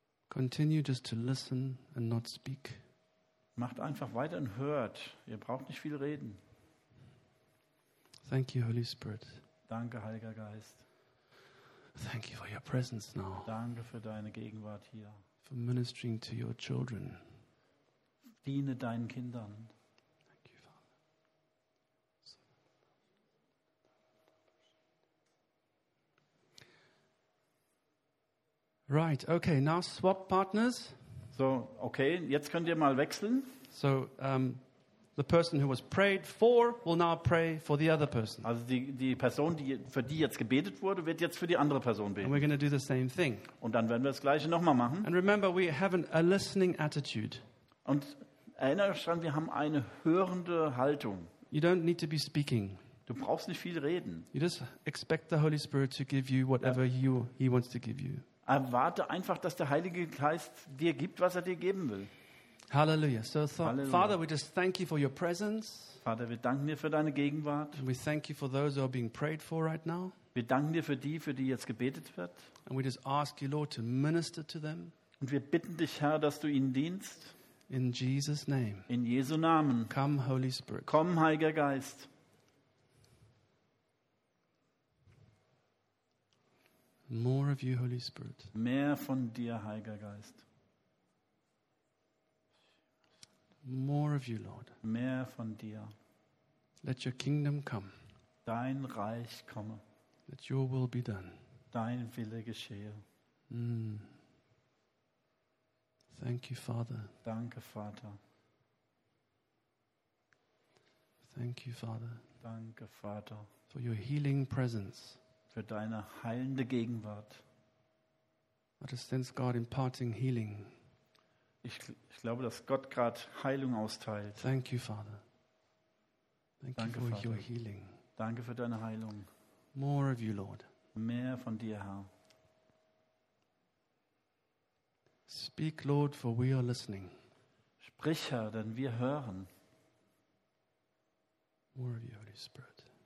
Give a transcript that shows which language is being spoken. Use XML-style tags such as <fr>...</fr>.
<en>Continue just to listen and not speak.</en> <de>Macht einfach weiter und hört. Ihr braucht nicht viel reden.</de> <en>Thank you, Holy Spirit.</en> <de>Danke, Heiliger Geist.</de> <en>Thank you for your presence now.</en> <de>Danke für deine Gegenwart hier.</de> <en>For ministering to your children.</en> <de>Diene deinen Kindern.</de> <en>Right, okay, now swap partners.</en> <de>So, okay, jetzt könnt ihr mal wechseln.</de> <en>So, the person who was prayed for will now pray for the other person.</en> <de>Also die Person, die für die jetzt gebetet wurde, wird jetzt für die andere Person beten.</de> <en>And we're going to do the same thing.</en> <de>Und dann werden wir das Gleiche nochmal machen.</de> <en>And remember, we have a listening attitude.</en> <de>Und erinnert euch dran, wir haben eine hörende Haltung.</de> <en>You don't need to be speaking.</en> <de>Du brauchst nicht viel reden.</de> <en>You just expect the Holy Spirit to give you whatever he wants to give you.</en> <de>Erwarte einfach, dass der Heilige Geist dir gibt, was er dir geben will.</de> <en>Hallelujah. So, Hallelujah. Father, we just thank you for your presence.</en> <de>Vater, wir danken dir für deine Gegenwart.</de> <en>And we thank you for those who are being prayed for right now.</en> <de>Wir danken dir für die jetzt gebetet wird.</de> <en>And we just ask you, Lord, to minister to them.</en> <de>Und wir bitten dich, Herr, dass du ihnen dienst.</de> <en>In Jesus' name.</en> <de>In Jesu Namen.</de> <en>Come, Holy Spirit.</en> <de>Komm, Heiliger Geist.</de> <en>More of you, Holy Spirit.</en> <de>Mehr von dir, Heiliger Geist.</de> <en>More of you, Lord.</en> <de>Mehr von dir.</de> <en>Let your kingdom come.</en> <de>Dein Reich komme.</de> <en>Let your will be done.</en> <de>Dein Wille geschehe.</de> <en>Thank you, Father.</en> <de>Danke, Vater.</de> <en>Thank you, Father.</en> <de>Danke, Vater.</de> <en>For your healing presence.</en> <de>Für deine heilende Gegenwart.</de> <en>I just sense God imparting healing.</en> <de>Ich glaube, dass Gott gerade Heilung austeilt.</de> <en>Thank you, Father.</en> <de>Danke, Vater.</de> <en>Your healing.</en> <de>Danke für deine Heilung.</de> <en>More of you, Lord.</en> <de>Mehr von dir, Herr.</de> <en>Speak, Lord, for we are listening.</en> <de>Sprich, Herr, denn wir hören.</de> <en>More of you, Holy Spirit.</en>